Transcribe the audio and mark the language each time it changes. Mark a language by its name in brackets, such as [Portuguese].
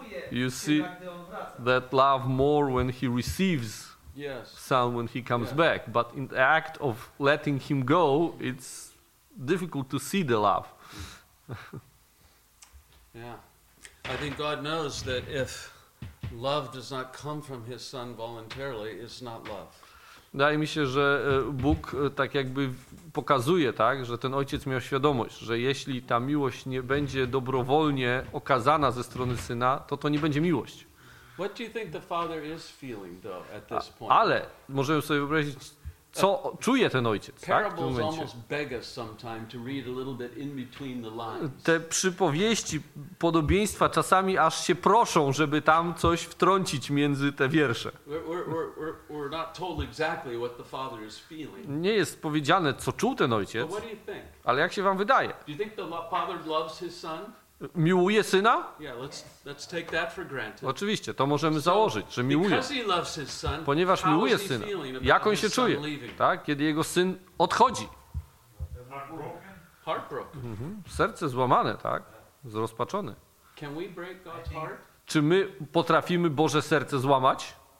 [English] You see that love more when he receives some, when he comes back. But in the act of letting him go, it's difficult to see the love. I think God knows that if love does not come from his son voluntarily, it's not love. [Polish] Wydaje mi się, że Bóg tak jakby pokazuje, tak, że ten ojciec miał świadomość, że jeśli ta miłość nie będzie dobrowolnie okazana ze strony syna, to to nie będzie miłość. [English] What do you think the father is feeling though at this point? [Polish] Ale możemy sobie wyobrazić, co czuje ten ojciec, tak, w tym momencie. [English] Parables almost beg us sometime to read a little bit in between the lines. [Polish] Te przypowieści, podobieństwa czasami aż się proszą, żeby tam coś wtrącić między te wiersze. [English] We're not told exactly what the father is feeling. [Polish] Nie jest powiedziane, co czuł ten ojciec. [English] But what do you think? [Polish] Ale jak się wam wydaje? [English] Do you think the father loves his son? [Polish] Miłuje syna? [English] Yeah, let's take that for granted. [Polish] Oczywiście, to możemy założyć, że miłuje. Ponieważ miłuje syna, jak on się czuje, tak? Kiedy jego syn odchodzi? [English] Heartbroken. [Polish] Serce złamane, tak? Zrozpaczone. [English] Can we break God's heart? [Polish] Czy my potrafimy Boże serce złamać?